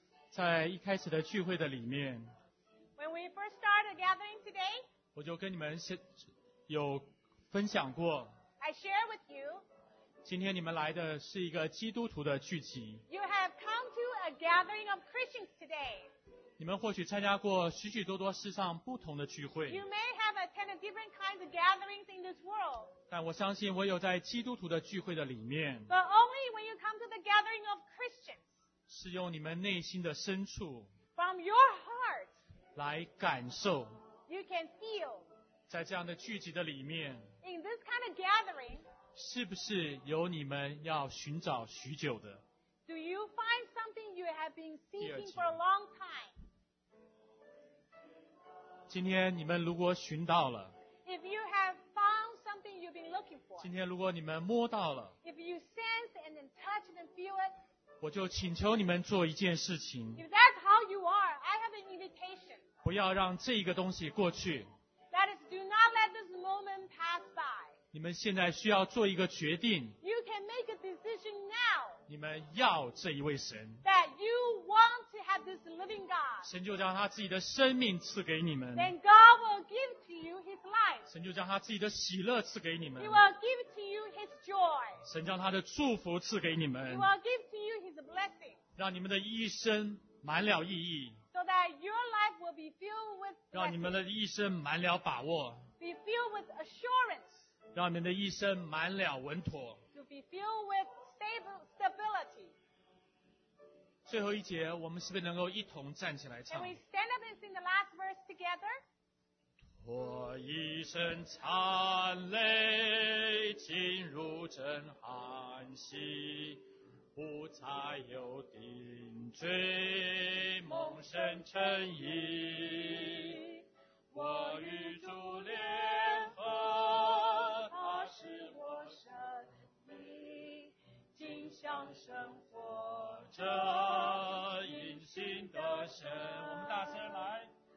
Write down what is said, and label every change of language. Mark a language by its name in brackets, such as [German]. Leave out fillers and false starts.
[Chinese] 在一开始的聚会的里面， [English] When we first started gathering today, [Chinese] 我就跟你们有分享过， [English] I share with you, [Chinese] 今天你们来的是一个基督徒的聚集。 [English] You have come to a gathering of Christians today. [Chinese] 你们或许参加过许许多多世上不同的聚会。 [English] You may have attended different kinds of gatherings in this world. [Chinese] 但我相信我有在基督徒的聚会的里面， [English] But only when you come to the gathering of Christians, [Chinese] 是用你们内心的深处， [English] From your heart, [Chinese] 来感受， [English] You can feel, [Chinese] 在这样的聚集的里面， [English] In this kind of gathering, [Chinese] 是不是有你们要寻找许久的？ [English] Do you find something you have been seeking for a long time? [Chinese] 今天你们如果寻到了， [English] If you have found you've been looking for. [Chinese] 今天如果你们摸到了， [English] If you sense and then touch and feel it, [Chinese] 我就请求你们做一件事情。 [English] If that's how you are, I have an invitation. [Chinese] 不要让这个东西过去。 [English] That is, do not let this moment pass by. [Chinese] 你们现在需要做一个决定。 [English] You can make a decision now. [Chinese] 你们要这一位神。 [English] That you want to have this living God. [Chinese] 神就将他自己的生命赐给你们。 [English] Then God will give to you his life. [Chinese] 神就将他自己的喜乐赐给你们。 [English] He will give to you his joy. [Chinese] 神将他的祝福赐给你们。 [English] He will give to you his blessing. [Chinese] 让你们的一生满了意义。 [English] So that your life will be filled with blessing. [Chinese] 让你们的一生满了把握。 [English] Be filled with assurance. [Chinese] 让你们的一生满了稳妥。 [English] To be filled with stability. [Chinese] 最后一节，我们是不是能够一同站起来唱？ [English] Can we stand up and sing the last verse together? [Chinese] 我一声惨泪进入阵寒息，不再有定罪梦生成意，我与主联合，他是我生命，今向生活这隐形的神，我们大声来，